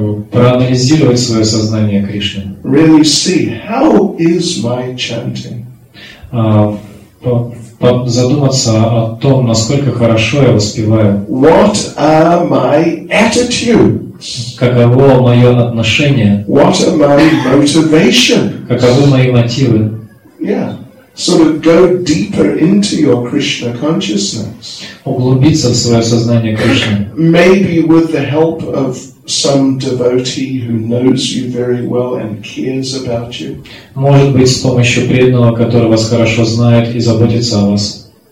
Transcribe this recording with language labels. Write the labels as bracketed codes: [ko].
[ru] Проанализировать свое сознание Кришны. [en] Really see how is my chanting. [ru] Задуматься о том, насколько хорошо я воспеваю. [en] What are my attitudes? [ru] Каково мое отношение? [en] What are my motivations? [ru] Каковы мои мотивы? [en] Yeah. So to go deeper into your Krishna consciousness. [ru] Углубиться в своё сознание Кришны. [en] Maybe with the help of some devotee who knows you very well and cares about you. [ru] Может быть, с помощью преданного, который вас хорошо знает и заботится о вас.